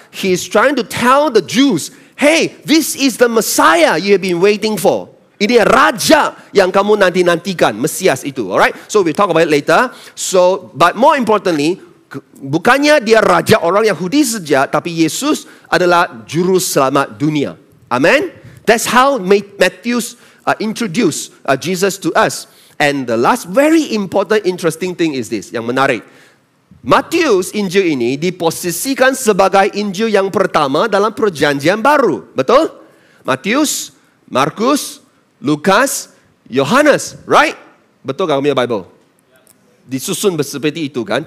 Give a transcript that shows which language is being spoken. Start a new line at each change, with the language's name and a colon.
English: He's trying to tell the Jews, hey, this is the Messiah you have been waiting for.
Malay: Ini raja yang kamu nanti-nantikan, Mesias itu.
English: Alright, so we'll talk about it later. So, but more importantly,
Malay: bukannya dia raja orang Yahudi saja, tapi Yesus adalah juru selamat dunia. Amen?
English: That's how Matthews introduce Jesus to us. And the last very important interesting thing is this,
Malay: yang menarik. Matthews Injil ini diposisikan sebagai Injil yang pertama dalam perjanjian baru. Betul? Matthews, Markus, Lukas, Yohanes,
English: right?
Malay: Betul gak punya Bible? disusun seperti itu kan.